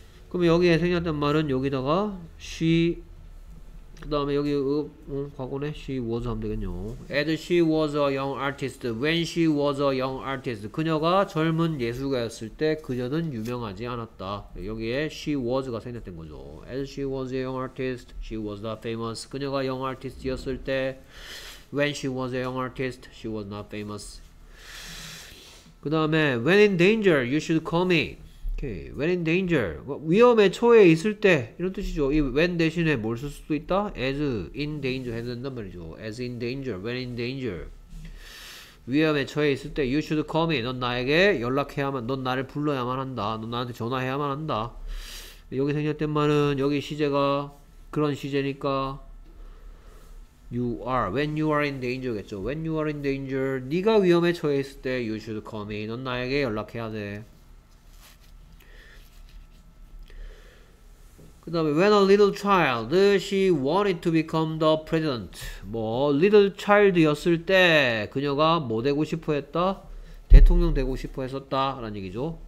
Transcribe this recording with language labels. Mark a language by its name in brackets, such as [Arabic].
[Korean] 그럼 여기에 생겼던 말은 여기다가 she 그 다음에 여기 과거네 [English] she was [Korean] 하면 되겠네요. [English] And she was a young artist. When she was a young artist. [Korean] 그녀가 젊은 예술가였을 때 그녀는 유명하지 않았다. 여기에 [English] she was가 [Korean] 생겼던 거죠. [English] And she was a young artist. She was not famous. [Korean] 그녀가 [English] young artist [Korean] 였을 때 [English] When she was a young artist. She was not famous. 그 다음에 When in danger, you should call me. When in danger, [Korean] 위험에 처해 있을 때 이런 뜻이죠. 이 when 대신에 뭘쓸 수도 있다. [English] As in danger [Korean] 해야 된단 말이죠. [English] As in danger, when in danger, [Korean] 위험에 처해 있을 때 [English] you should call me. [Korean] 넌 나에게 연락해야만, 넌 나를 불러야만 한다. 넌 나한테 전화해야만 한다. 여기 생겼던 말은 여기 시제가 그런 시제니까 [English] you are, when you are in danger [Korean] 겠죠. [English] When you are in danger, [Korean] 네가 위험에 처해 있을 때 [English] you should call me. [Korean] 넌 나에게 연락해야 돼. 그 다음에 [English] when a little child she wanted to become the president. [Korean] 뭐 little child였을 때 그녀가 뭐 되고 싶어 했다? 대통령 되고 싶어 했었다라는 얘기죠.